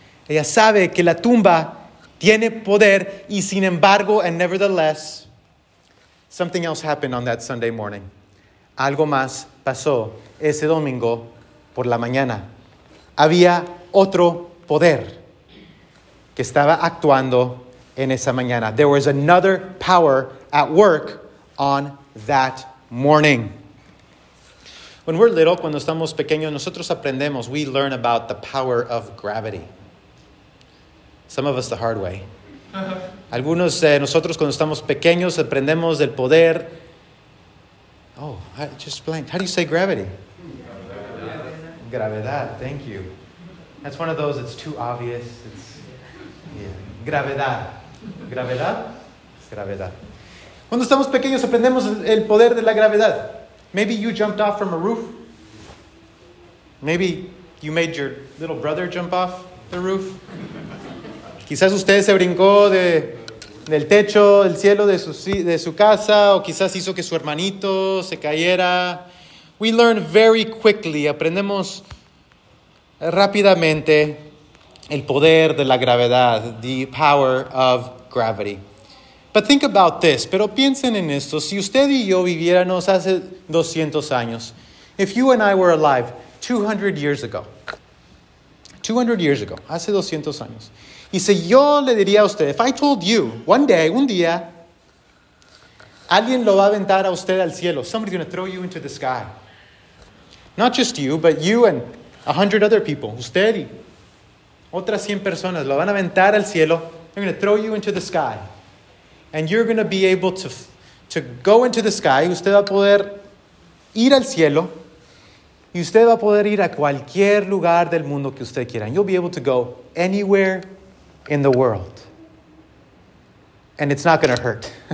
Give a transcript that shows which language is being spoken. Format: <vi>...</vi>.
<es>Ella sabe que la tumba tiene poder, y sin embargo,</es> <en>and nevertheless, something else happened on that Sunday morning.</en> <es>Algo más pasó ese domingo por la mañana. Había otro poder que estaba actuando en esa mañana.</es> <en>There was another power at work on that morning. When we're little,</en> <es>cuando estamos pequeños, nosotros aprendemos,</es> <en>we learn about the power of gravity. Some of us the hard way.</en> <es>Algunos de nosotros cuando estamos pequeños aprendemos del poder.</es> <en>Oh, I just blanked. How do you say gravity? Gravedad. Thank you. That's one of those, it's too obvious. It's, yeah. Gravedad. Gravedad? Gravedad.</en> <es>Cuando estamos pequeños aprendemos el poder de la gravedad.</es> <en>Maybe you jumped off from a roof. Maybe you made your little brother jump off the roof.</en> <es>Quizás usted se brincó del techo, del cielo de su casa, o quizás hizo que su hermanito se cayera.</es> <en>We learn very quickly,</en> <es>aprendemos rápidamente el poder de la gravedad,</es> <en>the power of gravity. But think about this,</en> <es>pero piensen en esto, si usted y yo viviéramos hace 200 años,</es> <en>if you and I were alive 200 years ago,</en> <es>hace 200 años, y si yo le diría a usted,</es> <en>if I told you, one day,</en> <es>un día, alguien lo va a aventar a usted al cielo.</es> <en>Somebody's going to throw you into the sky. Not just you, but you and 100 other people.</en> <es>Usted y otras 100 personas lo van a aventar al cielo.</es> <en>They're going to throw you into the sky. And you're going to be able to go into the sky.</en> <es>Usted va a poder ir al cielo. Y usted va a poder ir a cualquier lugar del mundo que usted quiera.</es> <en>And you'll be able to go anywhere in the world. And it's not going to hurt.</en>